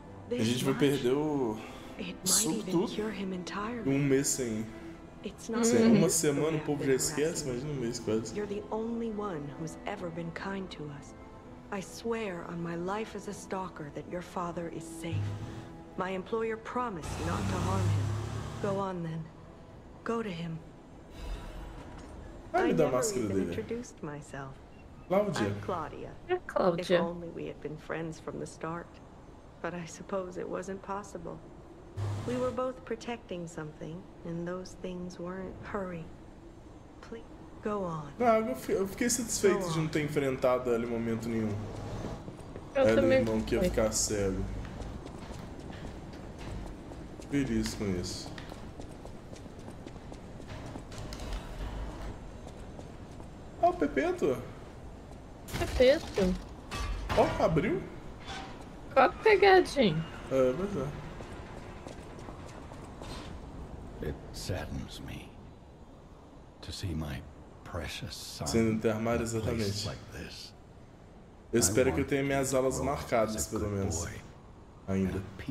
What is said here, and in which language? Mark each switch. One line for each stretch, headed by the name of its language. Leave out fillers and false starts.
Portuguese: A gente vai perder o sub tudo. Um mês sem... Sim, uma semana o povo já esquece, imagina um mês quase. Você é o único que sempre foi
English: kind to us. I swear on my life as a stalker that your father is safe. My employer promised not to harm him. Go on then. Go to him. I never even introduced myself. Claudia. I'm Claudia. Claudia. If only we had been friends from the start. But I suppose it wasn't possible. We were both protecting something, and those things weren't hurry. Please.
Portuguese: Não, eu fiquei satisfeito de não ter enfrentado ela em momento nenhum. Ela e o irmão que ia ficar cego. Feliz com isso. Ah, o Pepeto. Pepeto. Ó, abriu. Pode pegar, gente. É, mas é.
English: It saddens me to see my precious son.
Portuguese: Sendo enterrado, exatamente. Eu espero que eu tenha minhas alas marcadas, pelo menos. Ainda.